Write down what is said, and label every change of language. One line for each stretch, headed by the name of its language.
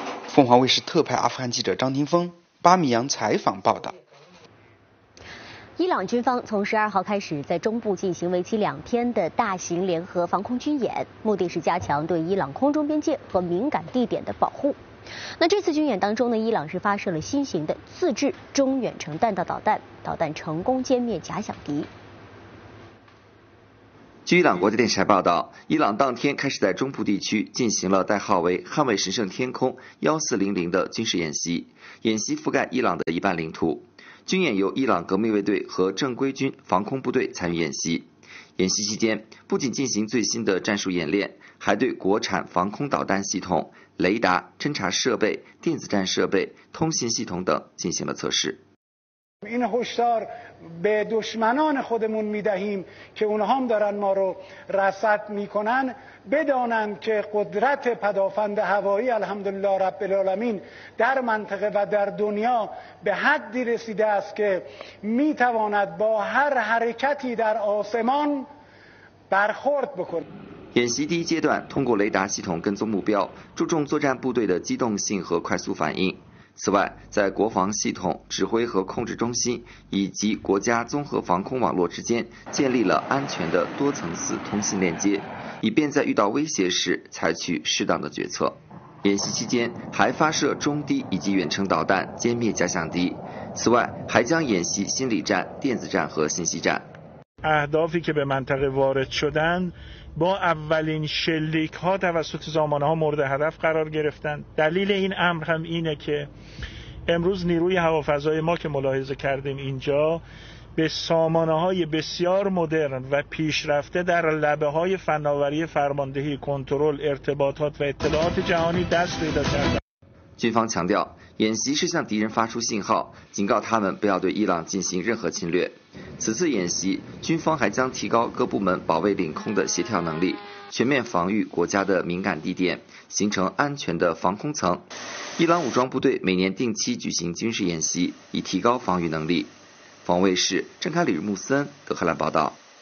Chinese: فونگ هاوی شی تو پای افغان جیجر جان تین فنگ بامیان 采访报道伊朗军方从12号开始在中部进行为期两天的大型联合防空军演，目的是加强对伊朗空中边界和敏感地点的保护。那这次军演当中呢，伊朗是发射了新型的自制中远程弹道导弹，导弹成功歼灭假想敌。据伊朗国际电视台报道，伊朗当天开始在中部地区进行了代号为“捍卫神圣天空1400”的军事演习，演习覆盖伊朗的一半领土。军演由伊朗革命卫队和正规军防空部队参与演习。演习期间，不仅进行最新的战术演练，还对国产防空导弹系统、雷达、侦察设备、电子战设备、通信系统等进行了测试。
Persian: این هشدار به دشمنان خودمون می‌دهیم که اونها هم دارن ما رو رصد می‌کنن بدانند که قدرت پدافند هوایی الحمدلله رب العالمین در منطقه و در دنیا به حدی رسیده است که می‌تواند با هر حرکتی در آسمان برخورد بکند
Chinese: 演习第一阶段通过雷达系统跟踪目标注重作战部队的机动性和快速反应此外在国防系统指挥和控制中心以及国家综合防空网络之间建立了安全的多层次通信链接以便在遇到威胁时采取适当的决策演习期间还发射中低以及远程导弹歼灭假想敌此外还将演习心理战电子战和信息战
Persian: اهدافی که به منطقه وارد شدند با اولین شلیک ها توسط زامانه ها مورد هدف قرار گرفتند دلیل این امر هم اینه که امروز نیروی هوافضای ما که ملاحظه کردیم اینجا به سامانه های بسیار مدرن و پیشرفته در لبه های فناوری فرماندهی کنترل ارتباطات و اطلاعات جهانی دست پیدا کرده
Chinese: 军方强调演习是向敌人发出信号警告他们不要对伊朗进行任何侵略此次演习军方还将提高各部门保卫领空的协调能力全面防御国家的敏感地点形成安全的防空层伊朗武装部队每年定期举行军事演习以提高防御能力防卫室郑凯里·穆森德克兰报道